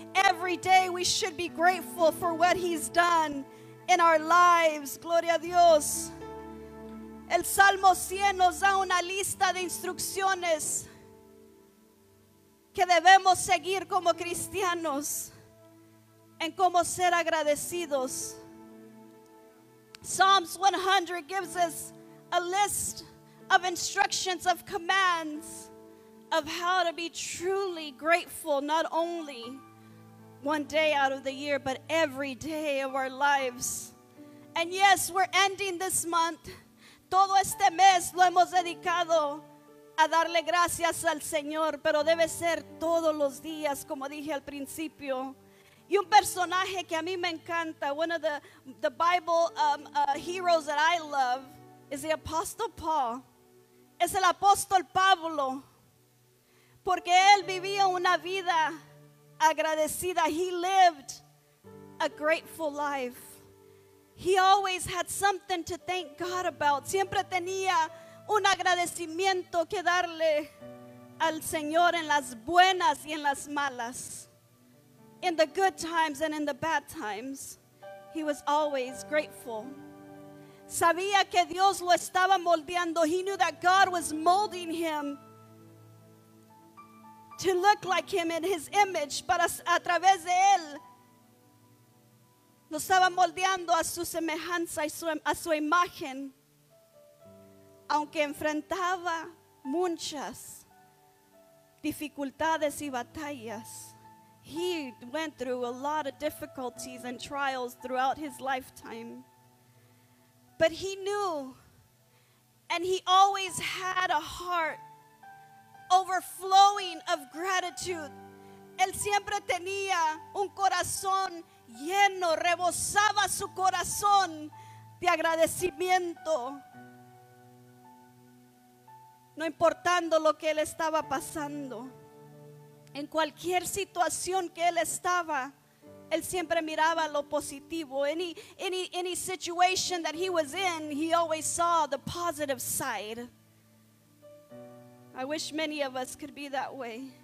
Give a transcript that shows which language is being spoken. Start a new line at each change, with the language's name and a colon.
English: Every day we should be grateful for what He's done in our lives.
Spanish: Gloria a Dios. El Salmo 100 nos da una lista de instrucciones que debemos seguir como cristianos en cómo ser agradecidos.
English: Psalms 100 gives us a list of instructions, of commands, of how to be truly grateful, not only one day out of the year, but every day of our lives. And yes, we're ending this month.
Spanish: Todo este mes lo hemos dedicado a darle gracias al Señor, pero debe ser todos los días, como dije al principio. Y un personaje que a mí me encanta,
English: one of the Bible heroes that I love, is the Apostle Paul.
Spanish: Es el apóstol Pablo, porque él vivía una vida agradecida.
English: He lived a grateful life. He always had something to thank God about.
Spanish: Siempre tenía un agradecimiento que darle al Señor en las buenas y en las malas.
English: In the good times and in the bad times, he was always grateful.
Spanish: Sabía que Dios lo estaba moldeando.
English: He knew that God was molding him to look like him in his image.
Spanish: Para a través de él, lo estaba moldeando a su semejanza y a su imagen. Aunque enfrentaba muchas dificultades y batallas,
English: He went through a lot of difficulties and trials throughout his lifetime. But he knew, and he always had a heart overflowing of gratitude.
Spanish: Él siempre tenía un corazón lleno, rebosaba su corazón de agradecimiento. No importando lo que él estaba pasando. En cualquier situación que él estaba, él siempre miraba lo positivo.
English: Any situation that he was in, he always saw the positive side. I wish many of us could be that way.